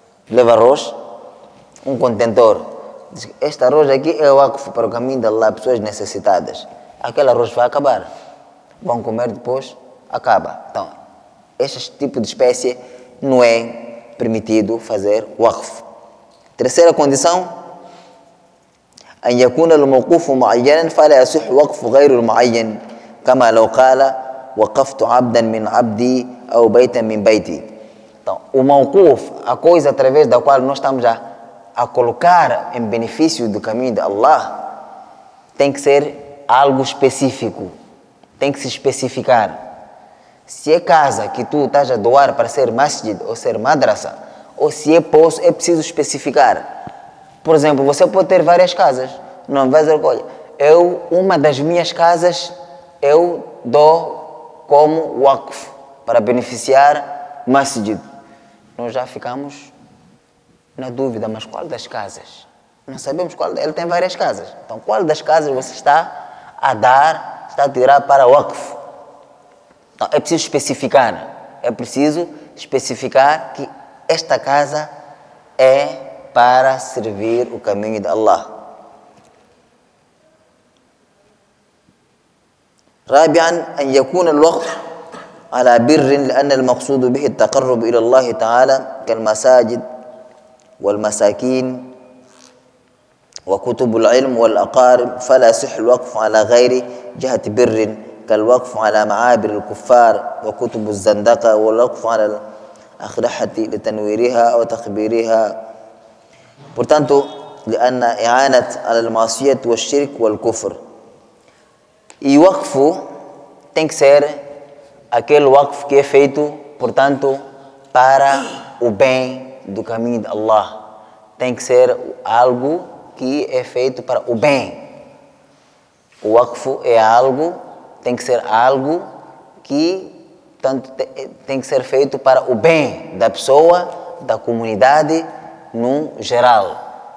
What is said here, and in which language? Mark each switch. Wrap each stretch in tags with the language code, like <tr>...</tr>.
<pt>Leva arroz, um contentor. Este arroz aqui é waqf para o caminho de Allah, pessoas necessitadas. Aquele arroz vai acabar. Vão comer depois, acaba. Então, este tipo de espécie não é permitido fazer waqf. Terceira condição.</pt> <ar>أن يكون الموقوف معينا فلا يصح وقف غير المعين كما لو قال وقفت عبدا من عبدي أو بيتا من بيتي.</ar> <pt>Então, o موقوف, a coisa através da qual nós estamos a colocar em benefício do caminho de Allah, tem que ser algo específico, tem que se especificar. Se é casa que tu estás a doar para ser masjid ou ser madrasa, ou se é poço, é preciso especificar. Por exemplo, você pode ter várias casas, não vai dizer, olha, eu, uma das minhas casas, eu dou como waqf, para beneficiar masjid. Nós já ficamos na dúvida, mas qual das casas? Não sabemos qual, ele tem várias casas. Então, qual das casas você está a dar, está a tirar para waqf? Então, é preciso especificar, é preciso especificar que esta casa é para servir o caminho de Allah.</pt> <ar>رابعا أن يكون الوقف على بر لأن المقصود به التقرب إلى الله تعالى كالمساجد والمساكين وكتب العلم والأقارب فلا يصح الوقف على غير جهة بر كالوقف على معابر الكفار وكتب الزندقة والوقف على الأخرحة لتنويرها وتخبيرها. Portanto, لِأَنَّ إِعَانَتْ عَلَى الْمَاسِيَةِ وَالشِّرْكِ وَالْكُفْرِ.</ar> <pt>E o waqf tem que ser aquele waqf que é feito, portanto, para o bem do caminho de Allah. Tem que ser algo que é feito para o bem. O waqf é algo, tem que ser algo que, portanto, tem que ser feito para o bem da pessoa, da comunidade, no geral.</pt>